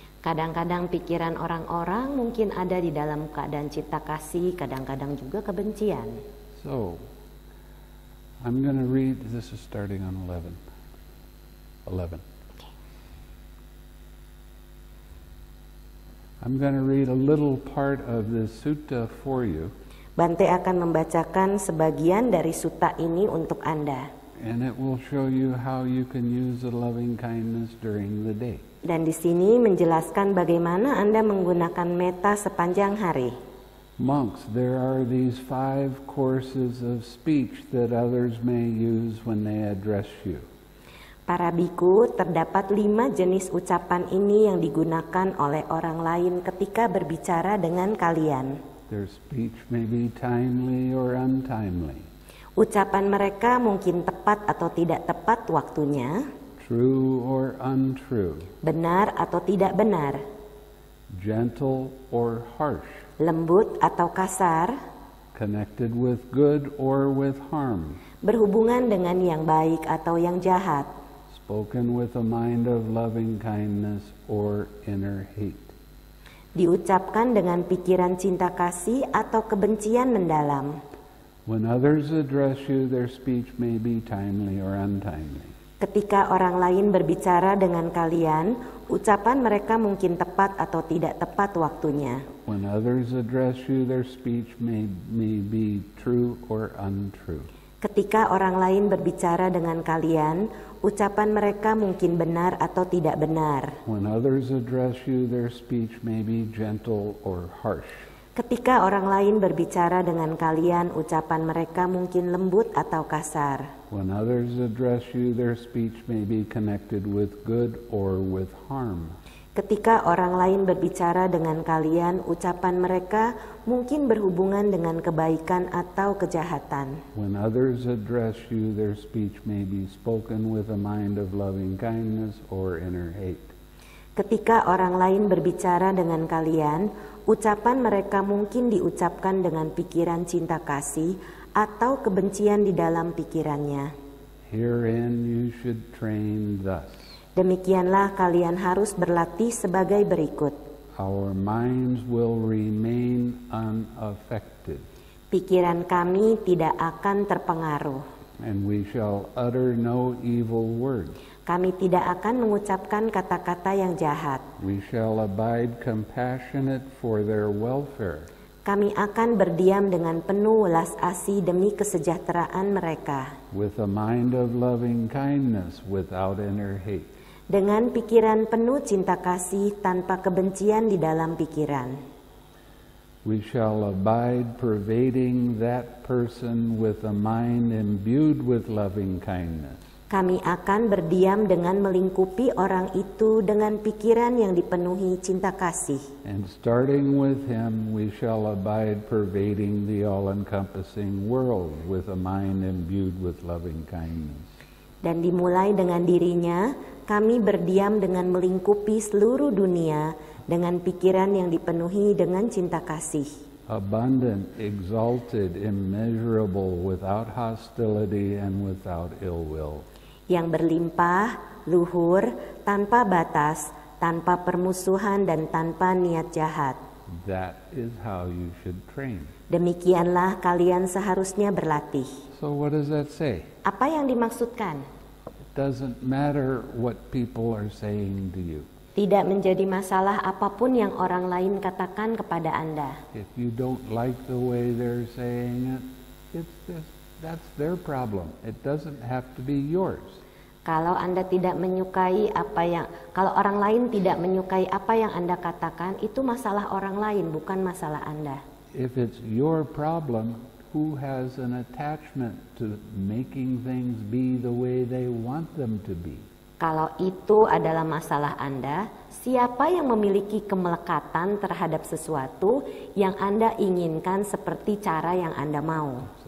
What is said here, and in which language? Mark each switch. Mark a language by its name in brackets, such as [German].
[Indonesian] Kadang-kadang pikiran orang-orang mungkin ada di dalam keadaan cinta kasih, kadang-kadang juga kebencian. [English] So, I'm going to read, this is starting on 11. 11. Okay. I'm going to read a little part of this sutta for you. [Indonesian] Bante akan membacakan sebagian dari sutta ini untuk Anda. [English] And it will show you how you can use the loving kindness during the day. [Indonesian] Dan di sini menjelaskan bagaimana Anda menggunakan metta sepanjang hari. [English] Monks, there are these five courses of speech that others may use when they address you. [Indonesian] Para bhikkhu, terdapat lima jenis ucapan ini yang digunakan oleh orang lain ketika berbicara dengan kalian. [English] Their speech may be timely or untimely. [Indonesian] Ucapan mereka mungkin tepat atau tidak tepat waktunya. [English] True or untrue. [Indonesian] Benar atau tidak benar. [English] Gentle or harsh. [Indonesian] Lembut atau kasar. [English] connected with good or with harm. [Indonesian] Berhubungan dengan yang baik atau yang jahat. [English] Spoken with a mind of loving kindness or inner hate. [Indonesian] Diucapkan dengan pikiran cinta kasih atau kebencian mendalam. [English] When others address you, their speech may be timely or untimely. [Indonesian] Ketika orang lain berbicara dengan kalian, ucapan mereka mungkin tepat atau tidak tepat waktunya. [English] When others address you, their speech may be true or untrue. [Indonesian] Ketika orang lain berbicara dengan kalian, ucapan mereka mungkin benar atau tidak benar. [English] When others address you, their speech may be gentle or harsh. [Indonesian] Ketika orang lain berbicara dengan kalian, ucapan mereka mungkin lembut atau kasar. [English] When others address you, their speech may be connected with good or with harm. [Indonesian] Ketika orang lain berbicara dengan kalian, ucapan mereka mungkin berhubungan dengan kebaikan atau kejahatan. [English] When others address you, their speech may be spoken with a mind of loving kindness or inner hate. [Indonesian] Ketika orang lain berbicara dengan kalian, ucapan mereka mungkin diucapkan dengan pikiran cinta kasih atau kebencian di dalam pikirannya. [English] Herein you should train thus. [Indonesian] Demikianlah kalian harus berlatih sebagai berikut. [English] Our minds will remain unaffected. [Indonesian] Pikiran kami tidak akan terpengaruh. [English] And we shall utter no evil words. [Indonesian] Kami tidak akan mengucapkan kata-kata yang jahat. [English] We shall abide compassionate for their welfare. [Indonesian] Kami akan berdiam dengan penuh welas asih demi kesejahteraan mereka. [English] With a mind of loving kindness without inner hate. [Indonesian] Dengan pikiran penuh cinta kasih tanpa kebencian di dalam pikiran. [English] We shall abide pervading that person with a mind imbued with loving kindness. [Indonesian] Kami akan berdiam dengan melingkupi orang itu dengan pikiran yang dipenuhi cinta kasih. [English] And starting with him, we shall abide pervading the all-encompassing world with a mind imbued with loving kindness. [Indonesian] Dan dimulai dengan dirinya, kami berdiam dengan melingkupi seluruh dunia dengan pikiran yang dipenuhi dengan cinta kasih. [English] Abundant, exalted, immeasurable, without hostility and without ill will. [Indonesian] Yang berlimpah, luhur, tanpa batas, tanpa permusuhan dan tanpa niat jahat. [English] That is how you should train. [Indonesian] Demikianlah kalian seharusnya berlatih. [English] So what does that say? [Indonesian] Apa yang dimaksudkan? [English] It doesn't matter what people are saying to you. [Indonesian] Tidak menjadi masalah apapun yang orang lain katakan kepada Anda. [English] If you don't like the way they're saying it, that's their problem. It doesn't have to be yours. [Indonesian] Kalau orang lain tidak menyukai apa yang Anda katakan, itu masalah orang lain, bukan masalah Anda. [English] If it's your problem, who has an attachment to making things be the way they want them to be? [Indonesian] Kalau itu adalah masalah Anda, siapa yang memiliki kemelekatan terhadap sesuatu yang Anda inginkan seperti cara yang Anda mau?